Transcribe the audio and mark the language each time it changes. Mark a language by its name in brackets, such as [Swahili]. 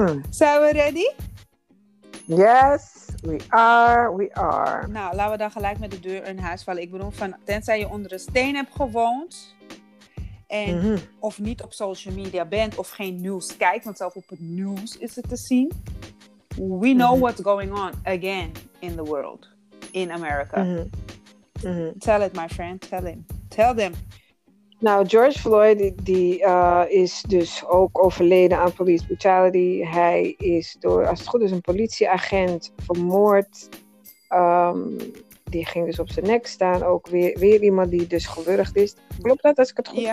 [Dutch] Zijn we ready? [English] Yes, we are. [Dutch] Nou, laten we dan gelijk met de deur in huis vallen. Ik bedoel, van, tenzij je onder een steen hebt gewoond en of niet op social media bent of geen nieuws kijkt, want zelf op het nieuws is het te zien. [English] We know what's going on again in the world, in America. Tell it, my friend, tell him. Tell them. [Dutch] Nou, George Floyd is dus ook overleden aan police brutality. Hij is door, als het goed is, een politieagent vermoord. Die ging dus op zijn nek staan. Ook weer iemand die dus gewurgd is. Klopt dat als ik het goed heb? Ja.